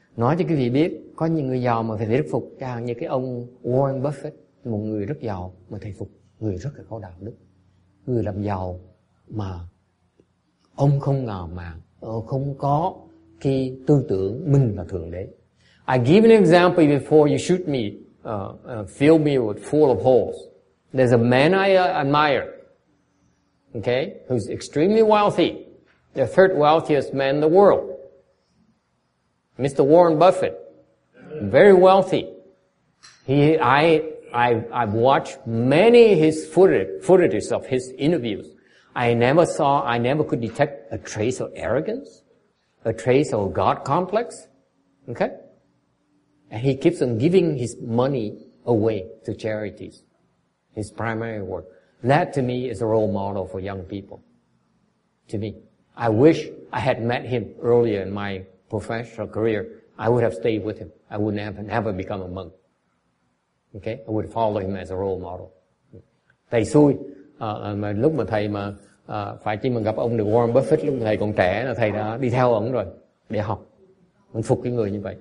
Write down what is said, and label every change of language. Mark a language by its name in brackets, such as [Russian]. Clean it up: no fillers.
[Vietnamese] Nói cho quý vị biết, có những người giàu mà phải thuyết phục, chẳng hạn như cái ông Warren Buffett, một người rất giàu mà thầy phục, người rất là có đạo đức, người làm giàu mà ông không ngờ mà không có cái tư tưởng mình là thượng đế. [English] I give an example before you shoot me, fill me with full of holes. There's a man I admire, okay, who's extremely wealthy, the third wealthiest man in the world. Mr. Warren Buffett, very wealthy. I've watched many his footages of his interviews. I never could detect a trace of arrogance, a trace of God complex. Okay? And he keeps on giving his money away to charities. His primary work. That to me is a role model for young people. To me. I wish I had met him earlier in my professional career, I would have stayed with him. I would never become a monk. Okay? I would follow him as a role model. [Vietnamese] Thầy xui. Mà lúc mà thầy mà phải chỉ mà gặp ông được Warren Buffett lúc thầy còn trẻ là thầy đã đi theo ông rồi để học. Mình phục cái người như vậy.